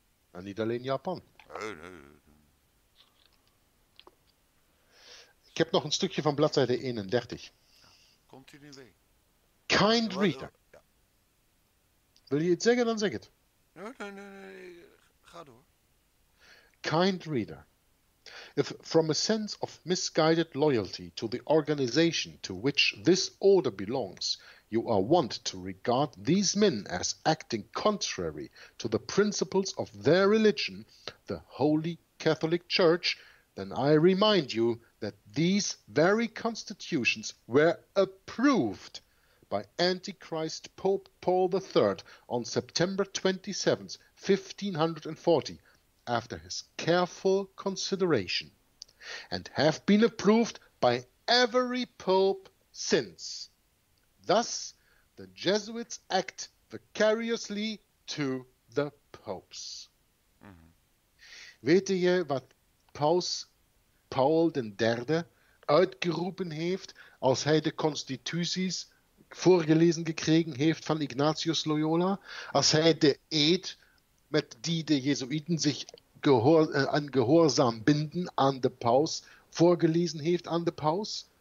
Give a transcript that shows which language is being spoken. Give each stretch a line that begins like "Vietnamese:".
Dutch: En niet alleen Japan. Nee. Ik heb nog een stukje van bladzijde 31. Ja. Continue.
English: Kind reader.
Dutch: Ja. Wil je iets zeggen, dan zeg het. Nee. Ga door.
English: Kind reader, if from a sense of misguided loyalty to the organization to which this order belongs, you are wont to regard these men as acting contrary to the principles of their religion, the Holy Catholic Church, then I remind you that these very constitutions were approved by Antichrist Pope Paul III on September 27th, 1540, after his careful consideration, and have been approved by every pope since. Thus, the Jesuits act vicariously to the popes.
Dutch: Weet je wat Paul den Derde uitgeroepen heeft als hij de constituties voorgelezen gekregen heeft van Ignatius Loyola? Als hij de eed met die de Jesuiten zich aan gehoorzaam binden aan de paus voorgelezen heeft aan de paus?